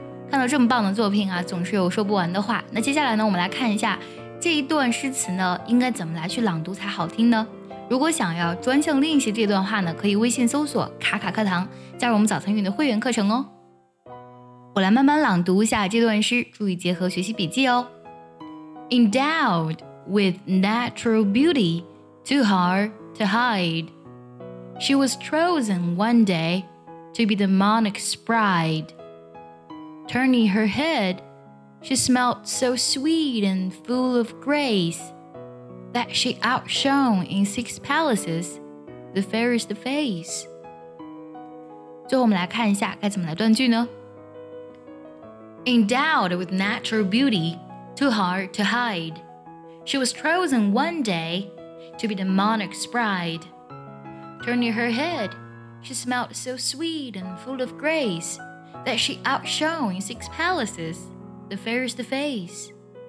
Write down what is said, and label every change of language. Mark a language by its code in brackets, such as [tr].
[zh] 看到这么棒的作品啊，总是有说不完的话。那接下来呢，我们来看一下这一段诗词呢应该怎么来去朗读才好听呢？如果想要专项练习这段话呢，可以微信搜索卡卡课堂，加入我们早餐韵的会员课程哦。我来慢慢朗读一下这段诗，注意结合学习笔记哦。 [en] Endowed with natural beauty too hard to hide, she was chosen one dayTo be the monarch's bride. Turning her head, she smelt so sweet and full of grace that she outshone in six palaces the fairest face. [zh] 最后我们来看一下该怎么来断句呢？ [en] Endowed with natural beauty, too hard to hide, she was chosen one day to be the monarch's bride. Turning her head,She smelled so sweet and full of grace that she outshone in six palaces the fairest face.